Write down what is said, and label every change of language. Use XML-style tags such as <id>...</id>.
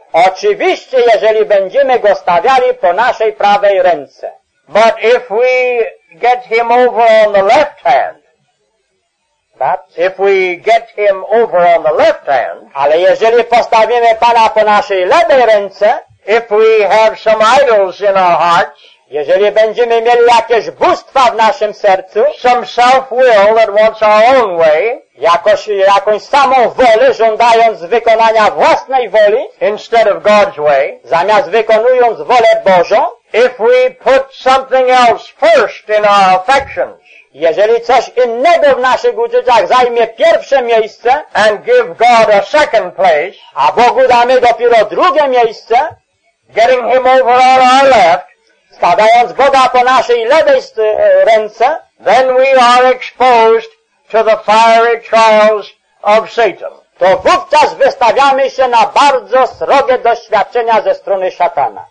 <pl>Oczywiście, jeżeli będziemy go stawiali po naszej prawej ręce.</pl> <en>But if we get him over on the left hand. But if we get him over on the left hand.</en> <pl>Ale jeżeli postawimy Pana po naszej lewej ręce.</pl> <en>If we have some idols in our hearts.</en> <pl>Jeżeli będziemy mieli jakieś bóstwa w naszym sercu.</pl> <en>Some self-will that wants our own way.</en> <pl>Jakąś samą wolę, żądając wykonania własnej woli.</pl> <en>Instead of God's way.</en> <pl>Zamiast wykonując wolę Bożą.</pl> <en>If we put something else first in our affections.</en> <pl>Jeżeli coś innego w naszych uczuciach zajmie pierwsze miejsce.</pl> <en>And give God a second place.</en> <pl>A Bogu damy dopiero drugie miejsce.</pl> <en>Getting him over on our left.</en> <pl>Stawiając Boga po naszej lewej ręce,</pl> <en>then we are exposed to the fiery trials of Satan.</en> <pl>To wówczas wystawiamy się na bardzo srogie doświadczenia ze strony szatana.</pl>